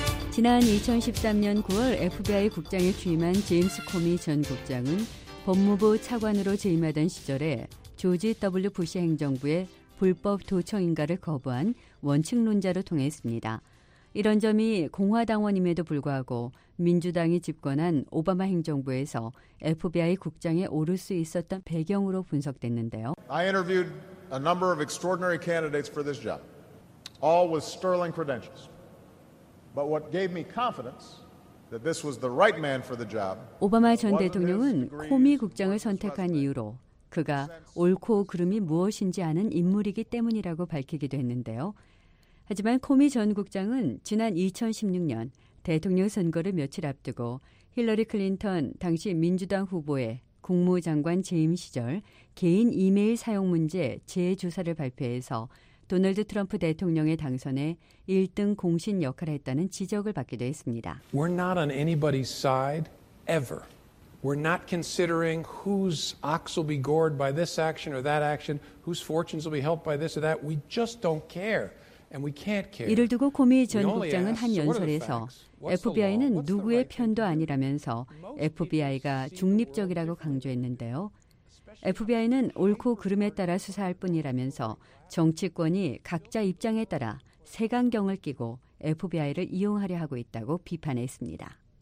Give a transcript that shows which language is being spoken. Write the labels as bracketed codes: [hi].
[ko] 지난 2013년 9월 FBI 국장에 취임한 제임스 코미 전 국장은 법무부 차관으로 재임하던 시절에 조지 W. 부시 행정부의 불법 도청인가를 거부한 원칙론자로 통했습니다. 이런 점이 공화당원임에도 불구하고 민주당이 집권한 오바마 행정부에서 FBI 국장에 오를 수 있었던 배경으로 분석됐는데요. [en] I interviewed a number of extraordinary candidates for this job, all with sterling credentials. But what gave me confidence that this was the right man for the job. [ko] 오바마 전 대통령은 코미 국장을 선택한 이유로 그가 옳고 그름이 무엇인지 아는 인물이기 때문이라고 밝히기도 했는데요. 하지만 코미 전 국장은 지난 2016년 대통령 선거를 며칠 앞두고 힐러리 클린턴 당시 민주당 후보의 국무장관 재임 시절 개인 이메일 사용 문제 재조사를 발표해서 도널드 트럼프 대통령의 당선에 1등 공신 역할을 했다는 지적을 받기도 했습니다. [en] We're not on anybody's side ever. We're not considering whose ox will be gored by this action or that action, whose fortunes will be helped by this or that. We just don't care. And we can't care. [ko] 이를 두고 코미 전 국장은 한 연설에서 FBI는 누구의 편도 아니라면서 FBI가 중립적이라고 강조했는데요. FBI는 옳고 그름에 따라 수사할 뿐이라면서 정치권이 각자 입장에 따라 색안경을 끼고 FBI를 이용하려 하고 있다고 비판했습니다.